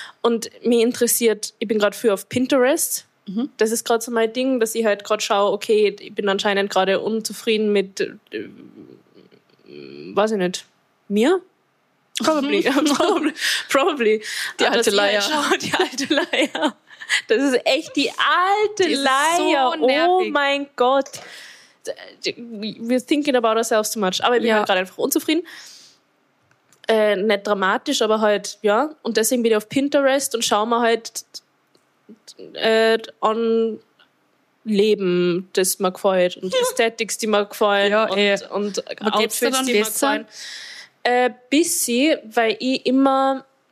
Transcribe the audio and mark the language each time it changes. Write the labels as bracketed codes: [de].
[de] Und mich interessiert, ich bin gerade viel auf Pinterest. Das ist gerade so mein Ding, dass ich halt gerade schaue, okay, ich bin anscheinend gerade unzufrieden mit, weiß ich nicht, mir? [en] Probably. [de] Die alte Leier. Das ist echt die alte Leier. So nervig. Oh mein Gott. [en] We're thinking about ourselves too much. [de] Aber ich bin halt gerade einfach unzufrieden. Nicht dramatisch, aber halt, ja. Und deswegen bin ich auf Pinterest und schaue mir halt an Leben, das mir gefällt. Und Aesthetics, die mir gefallen. Ja, und Outfits, die mir gefallen. Weil ich immer...